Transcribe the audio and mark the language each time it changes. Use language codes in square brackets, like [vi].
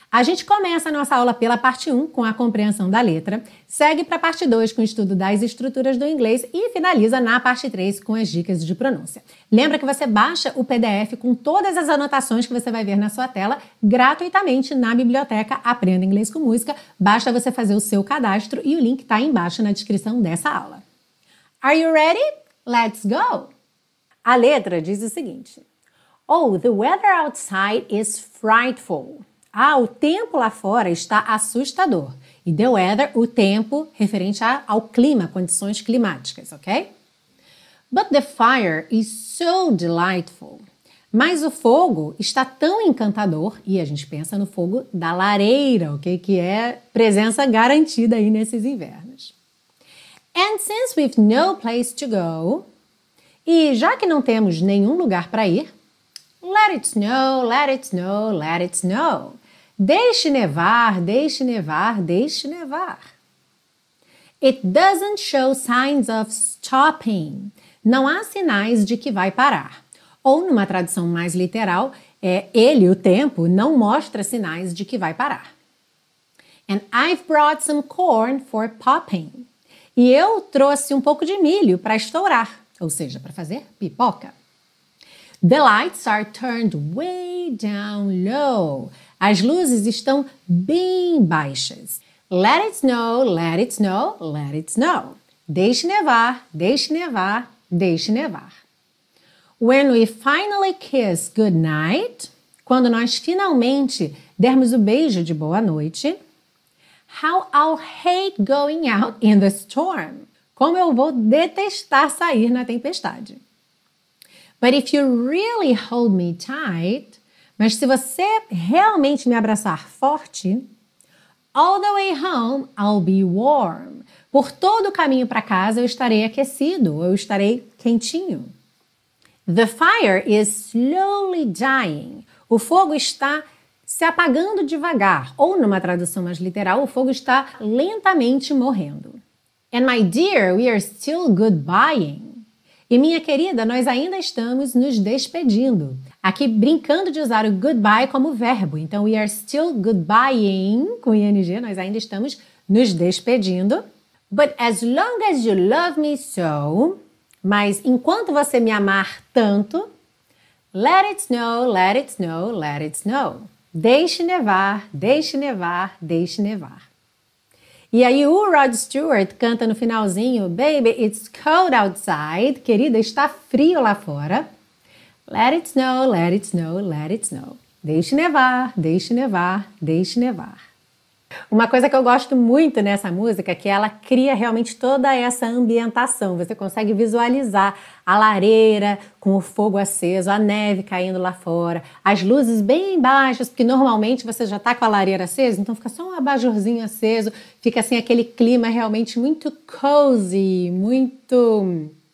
[pt] A gente começa a nossa aula pela parte 1, com a compreensão da letra, segue para a parte 2, com o estudo das estruturas do inglês, e finaliza na parte 3, com as dicas de pronúncia. Lembra que você baixa o PDF com todas as anotações que você vai ver na sua tela, gratuitamente na biblioteca Aprenda Inglês com Música. Basta você fazer o seu cadastro e o link está embaixo na descrição dessa aula. [en] Are you ready? Let's go! [pt] A letra diz o seguinte. [en] Oh, the weather outside is frightful. [pt] Ah, o tempo lá fora está assustador. E the weather, o tempo, referente ao clima, condições climáticas, ok? [en] But the fire is so delightful. [pt] Mas o fogo está tão encantador, e a gente pensa no fogo da lareira, ok? Que é presença garantida aí nesses invernos. [en] And since we've no place to go, [pt] e já que não temos nenhum lugar para ir, [en] let it snow, let it snow, let it snow. [pt] Deixe nevar, deixe nevar, deixe nevar. [en] It doesn't show signs of stopping. [pt] Não há sinais de que vai parar. Ou, numa tradução mais literal, ele, o tempo, não mostra sinais de que vai parar. [en] And I've brought some corn for popping. [pt] E eu trouxe um pouco de milho para estourar, ou seja, para fazer pipoca. [en] The lights are turned way down low. [pt] As luzes estão bem baixas. [en] Let it snow, let it snow, let it snow. [pt] Deixe nevar, deixe nevar, deixe nevar. [en] When we finally kiss goodnight, [pt] quando nós finalmente dermos o beijo de boa noite, [en] how I'll hate going out in the storm. [pt] Como eu vou detestar sair na tempestade. [en] But if you really hold me tight, [pt] mas se você realmente me abraçar forte, [en] All the way home, I'll be warm. [pt] Por todo o caminho para casa, eu estarei aquecido, eu estarei quentinho. [en] The fire is slowly dying. [pt] O fogo está se apagando devagar. Ou, numa tradução mais literal, o fogo está lentamente morrendo. [en] And my dear, we are still goodbying. [pt] E minha querida, nós ainda estamos nos despedindo. Aqui brincando de usar o goodbye como verbo. Então, [en] we are still goodbying, [pt] com ING, nós ainda estamos nos despedindo. [en] But as long as you love me so, [pt] mas enquanto você me amar tanto, [en] let it snow, let it snow, let it snow. [pt] Deixe nevar, deixe nevar, deixe nevar. E aí o Rod Stewart canta no finalzinho, [en] baby, it's cold outside, [pt] querida, está frio lá fora. [en] Let it snow, let it snow, let it snow. [pt] Deixe nevar, deixe nevar, deixe nevar. Uma coisa que eu gosto muito nessa música é que ela cria realmente toda essa ambientação. Você consegue visualizar a lareira com o fogo aceso, a neve caindo lá fora, as luzes bem baixas, porque normalmente você já está com a lareira acesa, então fica só um abajurzinho aceso, fica assim aquele clima realmente muito cozy, muito...